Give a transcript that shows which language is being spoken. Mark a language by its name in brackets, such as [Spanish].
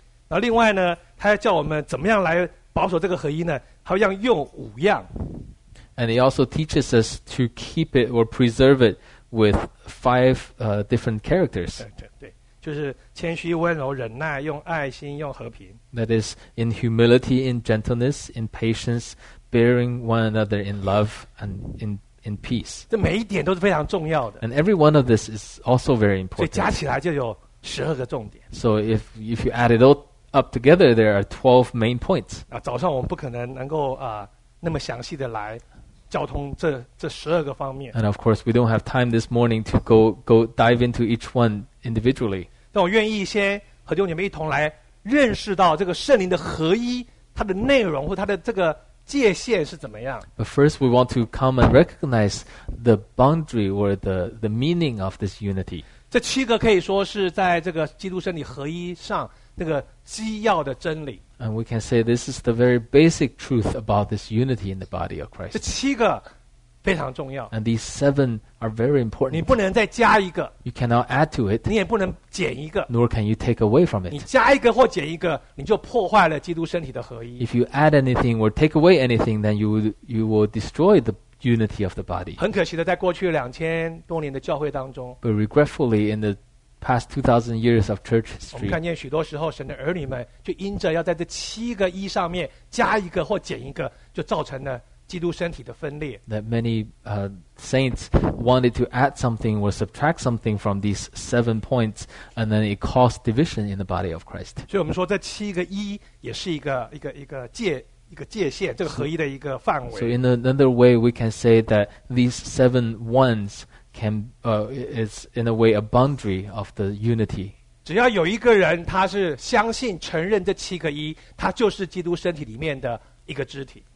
[Chinese] 然后另外呢，它要叫我们怎么样来保守这个合一呢？好像用五样 [English] And it also teaches us to keep it or preserve it with five different characters. [Chinese] 对，就是谦虚、温柔、忍耐、用爱心、用和平。 [English] That is in humility, in gentleness, in patience, bearing one another in love and in peace. [Chinese] 这每一点都是非常重要的。 [English] And every one of this is also very important. [Chinese] 所以加起来就有十二个重点。 [English] So if you add it all up together, there are 12 main points. [Chinese] 早上我们不可能能够那么详细的来交通这十二个方面。 [English] And of course, we don't have time this morning to go dive into each one individually. [Chinese] 但我愿意先和弟兄姐妹一同来认识到这个圣灵的合一，它的内容或它的这个界限是怎么样。 [English] But first, we want to come and recognize the boundary or the meaning of this unity. [Chinese] 这七个可以说是在这个基督圣灵合一上那个基要的真理。 [English] And we can say this is the very basic truth about this unity in the body of Christ. [Chinese] 这七个非常重要。 [English] And these seven are very important. [Chinese] 你不能再加一个。 [English] You cannot add to it. [Chinese] 你也不能减一个。 [English] Nor can you take away from it. [Chinese] 你加一个或减一个，你就破坏了基督身体的合一。 [English] If you add anything or take away anything, then you will destroy the unity of the body. [Chinese] 很可惜的，在过去两千多年的教会当中。 [English] But regretfully, in the past 2,000 years of church history, [Chinese] 我们看见许多时候，神的儿女们就因着要在这七个一上面加一个或减一个，就造成了基督身体的分裂。 [English] That many saints wanted to add something or subtract something from these seven points, and then it caused division in the body of Christ. [Chinese] 所以我们说这七个一也是一个界限，这个合一的一个范围。 [English] So in another way, we can say that these seven ones can is in a way a boundary of the unity. [Chinese] 只要有一个人他是相信承认这七个一，他就是基督身体里面的一个肢体。